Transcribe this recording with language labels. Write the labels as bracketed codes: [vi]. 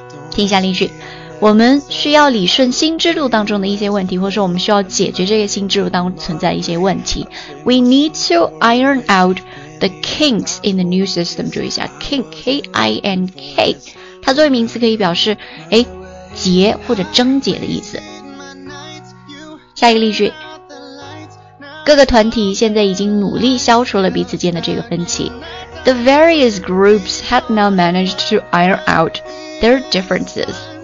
[zh] 听一下例句，我们需要理顺新制度当中的一些问题，或者说我们需要解决这个新制度当中存在一些问题。 [en] We need to iron out the kinks in the new system. [zh] 注意一下 kink, K-I-N-K, 它作为名词可以表示诶，结或者症结的意思。下一个例句，各个团体现在已经努力消除了彼此间的这个分歧。 [en] The various groups have now managed to iron out their differences.